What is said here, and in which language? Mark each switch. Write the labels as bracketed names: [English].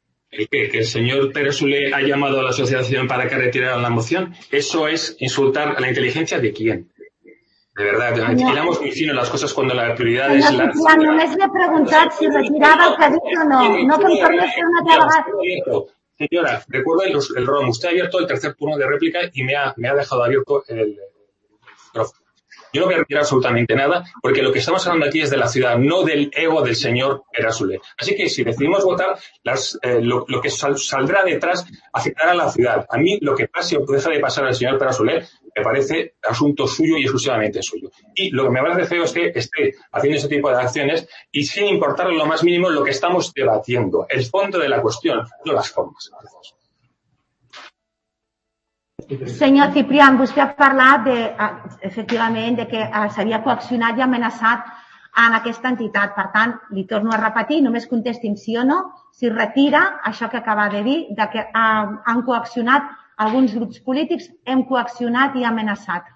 [Spanish] ¿Que el señor Pere Soler ha llamado a la asociación para que retirara la moción? ¿Eso es insultar a la inteligencia de quién? De verdad, tiramos muy fino las cosas cuando la prioridad es la... [Catalan] Ya, només m'he preguntat si retirava el que ha dit o no. No te'n tornes a una tabla. [Spanish] Señora, recuerda el ROM. Usted ha abierto el tercer turno de réplica y me ha dejado abierto el micrófono. Yo no voy a retirar absolutamente nada, porque lo que estamos hablando aquí es de la ciudad, no del ego del señor Erasule. Así que si decidimos votar, lo que saldrá detrás afectará a la ciudad. A mí lo que pase o deja de pasar al señor Erasule me parece asunto suyo y exclusivamente suyo. Y lo que me parece feo es que esté haciendo ese tipo de acciones y sin importar lo más mínimo lo que estamos debatiendo. El fondo de la cuestión, no las formas. [Catalan] Senyor Ciprián, vostè ha parlat de, efectivament, de que s'havia coaccionat i amenaçat en aquesta entitat. Per tant, li torno a repetir, només contestin sí o no, si retira això que acaba de dir, de que han coaccionat alguns grups polítics, hem coaccionat i amenaçat.